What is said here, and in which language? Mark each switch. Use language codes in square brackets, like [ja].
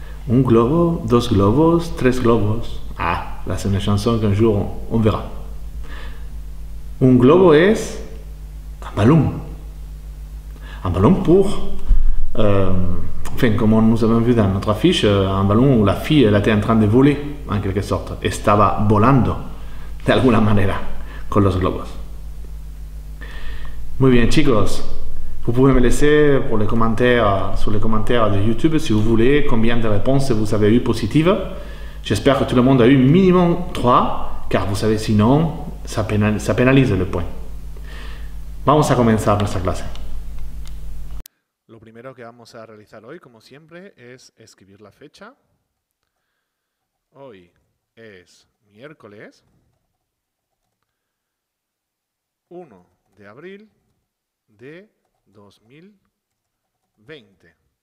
[es] Un globo, dos globos, tres globos. [fr] Ah, là c'est une chanson qu'un jour on verra. [es] Un globo es [fr] ballon. Un ballon pour... comme nous avons vu dans notre affiche, un ballon où la fille elle était en train de voler, en quelque sorte. [es] Estaba volando, de alguna manera, con los globos. Muy bien, chicos. [fr] Vous pouvez me laisser pour les commentaires, sur les commentaires de YouTube, si vous voulez, combien de réponses vous avez eues positives. J'espère que tout le monde a eu minimum 3, car vous savez, sinon, ça pénalise le point. [es] Vamos a comenzar nuestra clase. Lo primero que vamos a realizar hoy, como siempre, es escribir la fecha. Hoy es miércoles 1 de abril de 2020.